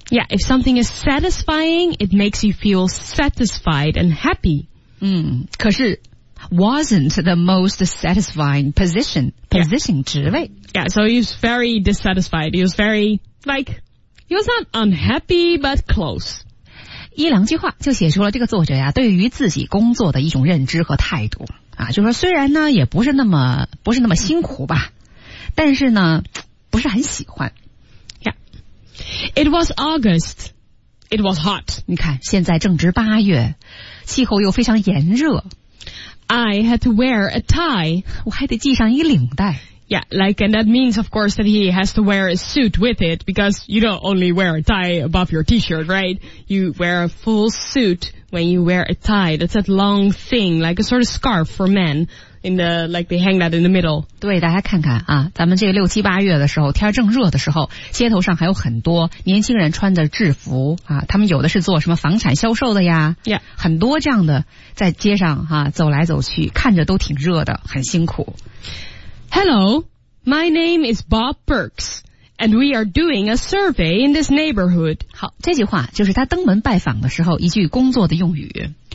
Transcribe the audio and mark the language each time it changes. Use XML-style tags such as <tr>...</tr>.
<en>Yeah, if something is satisfying, it makes you feel satisfied and happy.</en> <zh>可是</zh> <en>wasn't the most satisfying position</en> <zh>职位。</zh> <en>Yeah, so he was very dissatisfied. He was very, like,He was not unhappy, but close.</en> <zh>一两句话就写出了这个作者呀，对于自己工作的一种认知和态度啊，就说虽然呢也不是那么辛苦吧，但是呢不是很喜欢。</zh> <en>Yeah, it was August. It was hot.</en> <zh>你看现在正值八月，气候又非常炎热。</zh> <en>I had to wear a tie.</en> <zh>我还得系上一领带。</zh> <en>Yeah, like, and that means, of course, that he has to wear a suit with it, because you don't only wear a tie above your t-shirt, right? You wear a full suit when you wear a tie. That's that long thing, like a sort of scarf for men, in the, like, they hang that in the middle.</en> <zh>对，大家看看啊，咱们这个六七八月的时候，天正热的时候，街头上还有很多年轻人穿着制服啊，他们有的是做什么房产销售的呀。</zh> <en>Yeah.</en> <zh>很多这样的在街上啊，走来走去，看着都挺热的，很辛苦。</zh> <en>Hello, my name is Bob Burks, and we are doing a survey in this neighborhood.</en> <zh>好，这句话就是他登门拜访的时候一句工作的用语。</zh>